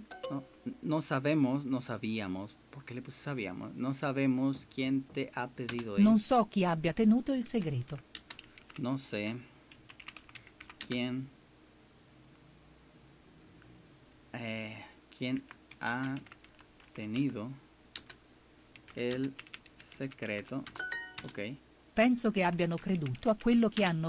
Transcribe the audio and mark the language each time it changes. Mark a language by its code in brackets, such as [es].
[es] No, no sabemos, no sabíamos. ¿Por qué le puse sabíamos? No sabemos quién te ha pedido ir. [it] Non so chi abbia tenuto il segreto. [es] No sé quién... quién ha tenido el secreto. Ok. [it] Penso [es] que [it] abbiano creduto a quello che hanno